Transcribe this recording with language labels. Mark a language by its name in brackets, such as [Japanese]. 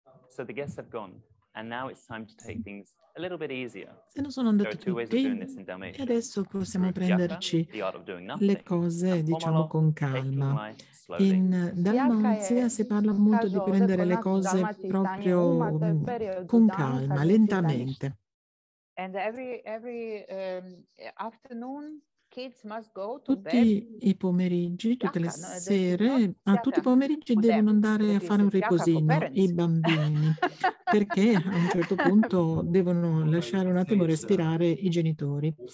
[English] So the guests have gone, and now it's time to take things a little bit easier. [Italian] Se non sono andati tutti, e adesso possiamo prenderci le cose, diciamo, con calma. In Dalmazia si parla molto di prendere le cose proprio con calma, lentamente. [English] And every afternoon kids must go to bed. [Italian] Tutti i pomeriggi, tutte le sere, tutti i pomeriggi devono andare a fare un riposino i bambini, perché a un certo punto devono lasciare un attimo respirare i genitori.